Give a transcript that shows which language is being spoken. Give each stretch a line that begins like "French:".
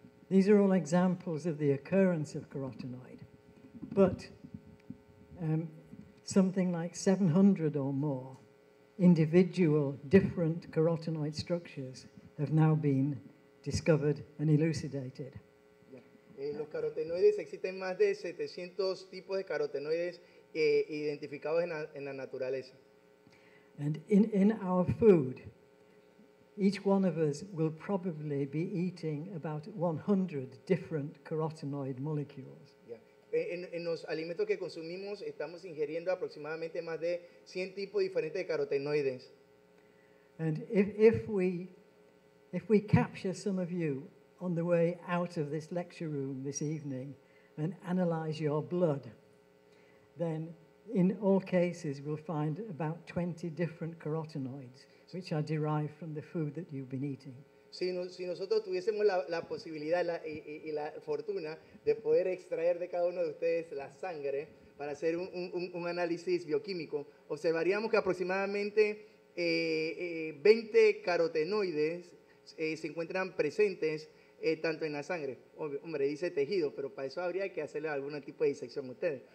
English: These are all examples of the occurrence of carotenoid. But something like 700 or more individual different carotenoid structures have now been discovered and elucidated.
Spanish: Los carotenoides, existen más de 700 tipos de carotenoides identificados en la naturaleza.
English: And in our food, each one of us will probably be eating about 100 different carotenoid molecules. Yeah.
Spanish: En los alimentos que consumimos, estamos ingiriendo aproximadamente más de 100 tipos diferentes de carotenoides.
English: And if we capture some of you on the way out of this lecture room this evening and analyze your blood, then in all cases we'll find about 20 different carotenoids which are derived from the food that you've been eating.
Spanish: Si nosotros tuviésemos la posibilidad y la fortuna de poder extraer de cada uno de ustedes la sangre para hacer un análisis bioquímico, observaríamos que aproximadamente 20 carotenoides se encuentran presentes tanto en la sangre, hombre, dice tejido, pero para eso habría que hacerle algún tipo de disección a ustedes.